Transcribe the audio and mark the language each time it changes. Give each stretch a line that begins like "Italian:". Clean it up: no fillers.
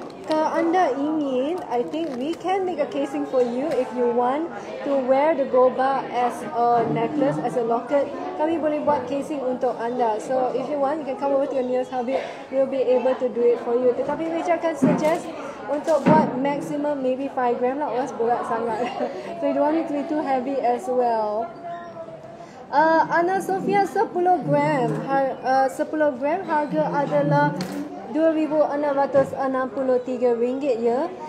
Malay: Kalau anda ingin,
English: I think we can make a casing for you if you want to wear the gold bar as a necklace, as a locket.
Malay: Kami boleh buat casing untuk anda.
English: So if you want, you can come over to your nearest Habib. We'll be able to do it for you.
Malay: Tetapi Rachel akan suggest untuk buat maximum
English: maybe
Malay: 5 gram lah, orang berat sangat.
English: So you don't want it to be too heavy as well.
Malay: Ana Sofia 10 gram. 10 gram harga adalah RM2,663 ya.